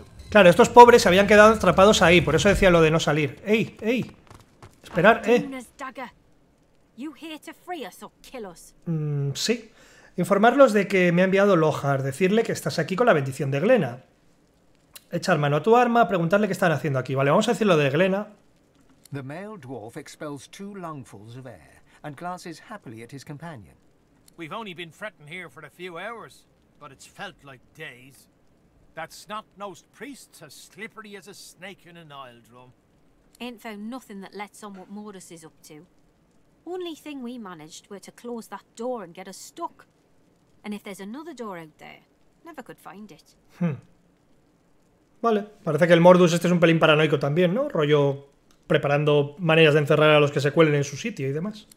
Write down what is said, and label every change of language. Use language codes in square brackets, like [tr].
[es] Claro, estos pobres se habían quedado atrapados ahí, por eso decía lo de no salir. ¡Ey! ¡Ey! Esperar, sí. Informarlos de que me ha enviado Lohar, decirle que estás aquí con la bendición de Glenna. Echar mano a tu arma, preguntarle qué están haciendo aquí. Vale, vamos a decir lo de Glenna. [en] The male dwarf expels two lungfuls of air and glances happily at his companion. We've only been fretting here for a few hours, but it's felt like days. That snot-nosed priest's as slippery as a snake in an oil drum. Ain't found nothing that lets on what Mordus is up to. Only thing we managed were to close that door and get us stuck. And if there's another door out there, never could find it. [es] Vale, parece que el Mordus este es un pelín paranoico también, ¿no? Rollo preparando maneras de encerrar a los que se cuelen en su sitio y demás.